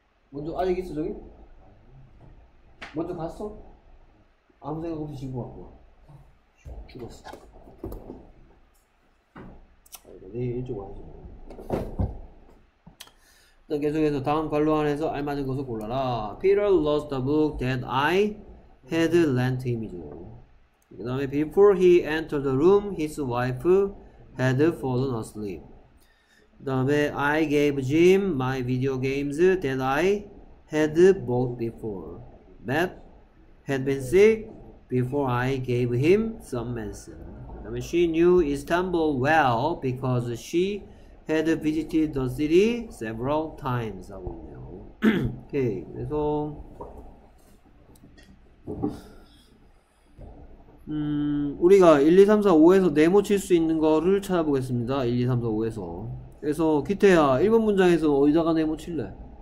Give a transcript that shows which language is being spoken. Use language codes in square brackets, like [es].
[ko] 먼저 아직 있어 저기? 먼저 갔어? 아무 생각 없이 집으로 갔고 죽었어. 내일 일찍 와야지. 일단 계속해서 다음 관로 안에서 알맞은 것을 골라라. [en] Peter lost the book that I had lent him. [ko] 그 다음에 [en] Before he entered the room, his wife had fallen asleep. [ko] 그 다음에 [en] I gave Jim my video games that I had bought before. Matt had been sick before I gave him some medicine. [ko] 그 다음에 [en] she knew Istanbul well because she had visited the city several times. [ko] 하고 있네요. 오케이, 그래서 우리가 1, 2, 3, 4, 5에서 네모 칠 수 있는 거를 찾아보겠습니다. 1, 2, 3, 4, 5에서. 그래서 기태야, 1번 문장에서 어디다가 네모 칠래?